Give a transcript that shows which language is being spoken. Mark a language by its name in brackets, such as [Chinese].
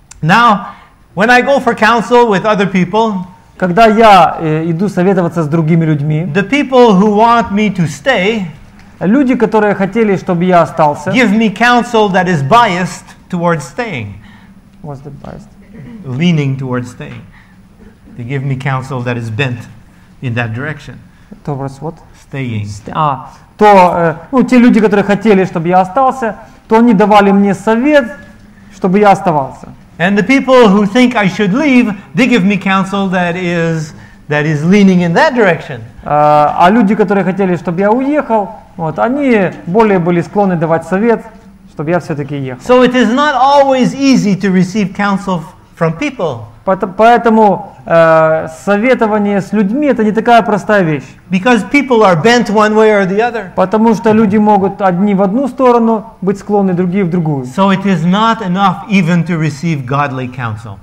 [English] Now, when I go for counsel with other people, [Russian] когда я иду советоваться с другими людьми, [English] the people who want me to stay, [Russian] люди, которые хотели, чтобы я остался, [English] give me counsel that is biased towards staying. What's the biased? Leaning towards staying. They give me counsel that is bent in that direction. Towards what? Staying. [Russian] Те люди, которые хотели, чтобы я остался, то они давали мне совет, чтобы я оставался. [English] And the people who think I should leave, they give me counsel that is leaning in that direction. [Russian] А люди, которые хотели, чтобы я уехал, вот, они более были склонны давать совет, чтобы я все-таки ехал. [English] So it is not always easy to receive counsel from people. [Russian] Поэтому советование с людьми — это не такая простая вещь. [English] Because people are bent one way or the other. [Russian] Потому что люди могут одни в одну сторону быть склонны, другие в другую. [English] So it is not enough even to receive godly counsel.